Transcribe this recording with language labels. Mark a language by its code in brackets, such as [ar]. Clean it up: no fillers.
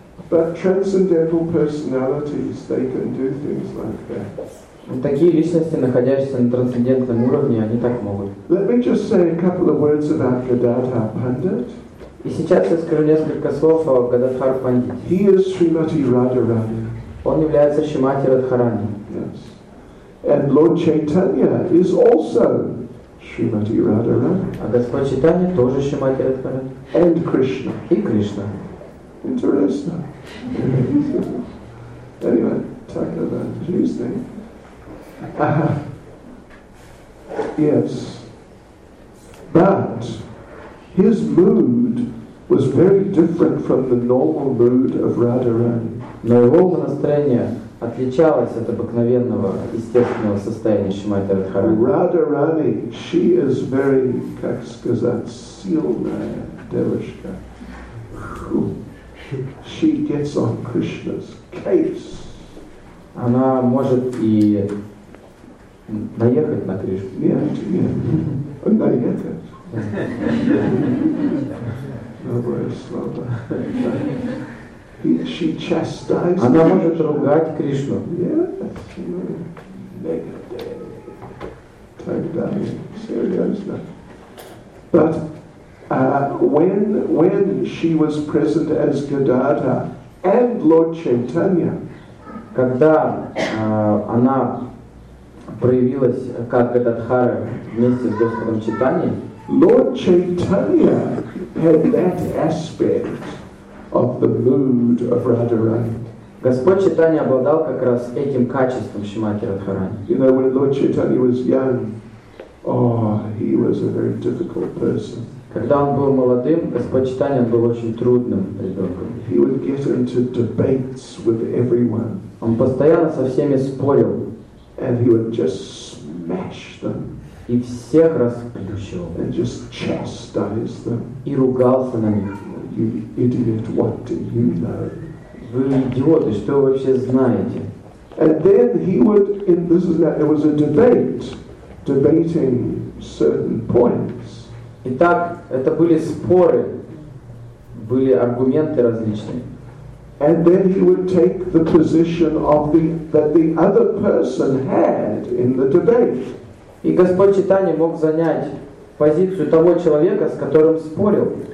[en] But transcendental personalities, they can do things like that. [ru] Такие личности, находящиеся на трансцендентном уровне, они так могут. [en] Let me just say a couple of words about Gadadhar Pandit. [ru] И сейчас я скажу несколько слов о Гададхар Пандите. [en] He is Srimati Radharani. [ru] Он является Шримати Радхарани. [en] Yes. And Lord Chaitanya is also Shrimati Radharani. [ru] А Господь Чайтанья тоже Шримати Радхарани. [en] And Krishna. [ru] И Кришна. [en] Interesting. Anyway, talk about Tuesday. Yes. But his mood was very different from the normal mood of Radharani. [ru] Но его настроение отличалось от обыкновенного естественного состояния Шримати Радхарани. Радхарани, [en] she is very, [ru] как сказать, сильная девушка. [en] she gets on Krishna's case. [ru] Она может и наехать на Кришну. Нет, нет. Наехать. Доброе слово. [en] She chastises. [ru] Она может ругать Кришну. [en] Yes. Negative. [ru] Так далее. Серьезно. [en] But when she was present as Gadadhara and Lord Chaitanya, [ru] когда она проявилась как Гададхара вместе с Господом Читани, [en] Lord Chaitanya had that aspect of the mood of Radharani. [ru] Господь Читани обладал как раз этим качеством Шимати Радхарани. [en] You know, when Lord Chaitanya was young, oh, he was a very difficult person. [ru] Когда он был молодым, Господь Читани был очень трудным ребенком. [en] He would get into debates with everyone. [ru] Он постоянно со всеми спорил. [en] And he would just smash them. [ru] И всех расплющивал. [en] And just chastise them. [ru] И ругался на них. [en] You idiot, what do you know? [ru] Вы идиоты, что вы вообще знаете? [en] And then he would, in this is that, there was a debate, debating certain points. [ru] Итак, это были споры, были аргументы различные. [en] And then he would take the position of the that the other person had in the debate. [ru] И Господь Читани мог занять позицию того человека, с которым спорил.